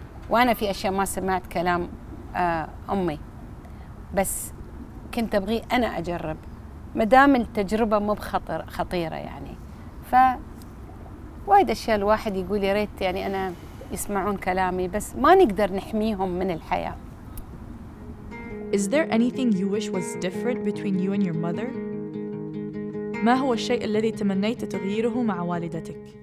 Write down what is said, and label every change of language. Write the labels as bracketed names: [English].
[Arabic] وأنا في أشياء ما سمعت كلام أمي، بس كنت أبغي أنا أجرب مدام التجربة مو بخطر خطيرة يعني. فوايد أشياء الواحد يقول يا ريت يعني أنا يسمعون كلامي، بس ما نقدر نحميهم من الحياة. [English] Is there anything you wish was different between you and your mother? [Arabic] ما هو الشيء الذي تمنيت تغييره مع والدتك؟